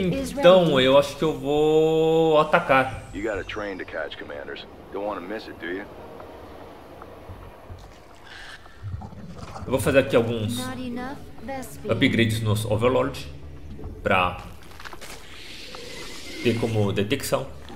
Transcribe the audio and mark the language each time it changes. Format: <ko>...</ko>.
<pt>Então eu acho que eu vou atacar.</pt> <en>You gotta train to catch commanders. Don't wanna miss it, do you?</en> <pt>Eu vou fazer aqui alguns upgrades nos Overlord pra ter como detecção.</pt>